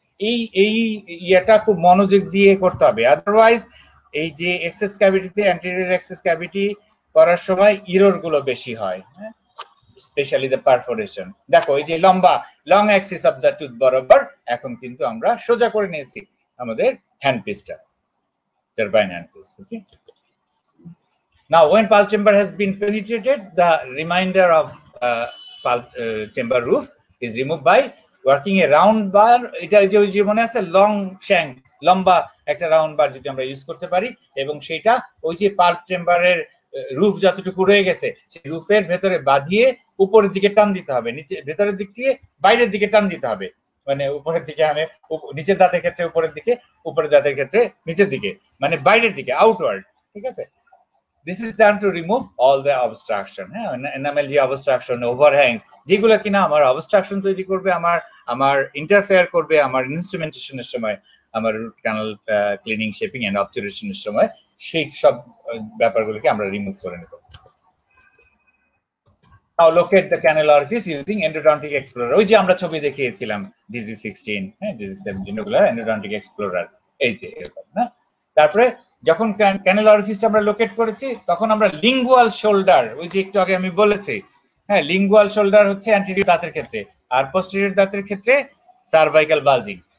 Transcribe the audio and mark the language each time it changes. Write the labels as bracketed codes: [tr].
[bn] এই এই ইয়াটা খুব মনোযোগ দিয়ে করতে হবে, আদারওয়াইজ এই যে এক্সেস ক্যাভিটিতে অ্যান্টেরিয়র এক্সেস ক্যাভিটি করার সময় ইরর গুলো বেশি হয়, স্পেশালি দ্য পারফোরেশন। দেখো এই যে লম্বা long Axis of the tooth বরাবর এখন কিন্তু আমরা সোজা করে নিয়েছি আমাদের হ্যান্ড পিসটা, turbine hand piece. Okay, [en] Now, when pulp chamber has been penetrated, the remainder of pulp chamber roof is removed by working a round bar. It is a long shank, [bn] lomba, ekta round bar jodi amra use korte pari, ebong seta oi je pulp chamber er roof joto tuku roye geche, sei roof er bhetore badhiye uporer dike tan dite hobe, niche bhetorer dik diye bairer dike tan dite hobe. মানে উপরের দিকে আমি নিচের দাঁতের ক্ষেত্রে উপরের দিকে, উপরের দাঁতের ক্ষেত্রে নিচের দিকে, মানে বাইরের দিকে, আউটওয়ার্ড, ঠিক আছে? [en] This is done to remove all the obstruction, enamel obstruction, overhangs, [bn] যেগুলো কিনা আমার obstruction তৈরি করবে, আমার আমার interfere করবে, আমার instrumentation এর সময়, আমার root canal cleaning, shaping and obturation এর সময়, সেই সব ব্যাপারগুলোকে আমরা remove করে নেব. [en] Now locate the canal orifice using endodontic explorer. [bn] ওই যে আমরা ছবি দেখিয়েছিলাম DZ16, হ্যাঁ DZ17 গুলো endodontic explorer. এই যে এরকম না? তারপরে যখন canal orifice আমরা locate করেছি তখন আমরা lingual shoulder, ওই যে একটু আগে আমি বলেছি, হ্যাঁ lingual shoulder হচ্ছে anterior দাঁতের ক্ষেত্রে আর posterior দাঁতের ক্ষেত্রে cervical bulging.